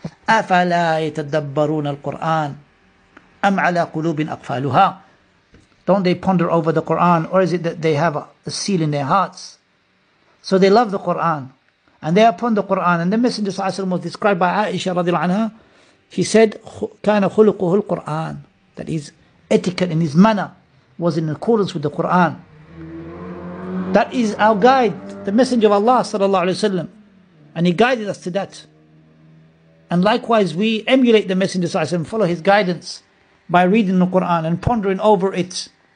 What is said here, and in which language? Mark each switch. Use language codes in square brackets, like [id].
[ar] أَفَلَا يَتَدَبَّرُونَ الْقُرْآنِ أَمْ عَلَى قُلُوبٍ أَقْفَالُهَا. [en] Don't they ponder over the Qur'an, or is it that they have a seal in their hearts? So they love the Qur'an, and they are upon the Qur'an. And the Messenger [ar] صلى الله عليه وسلم [en] was described by Aisha [ar] رضي الله عنها. [en] She said, [ar] كَانَ خُلُقُهُ الْقُرْآنِ. [en] That his etiquette and his manner was in accordance with the Qur'an. That is our guide, the Messenger of Allah [ar] صلى الله عليه وسلم. [en] And he guided us to that. And likewise, we emulate the Messenger [ar] صلى الله عليه وسلم, [en] follow his guidance by reading the Qur'an and pondering over it.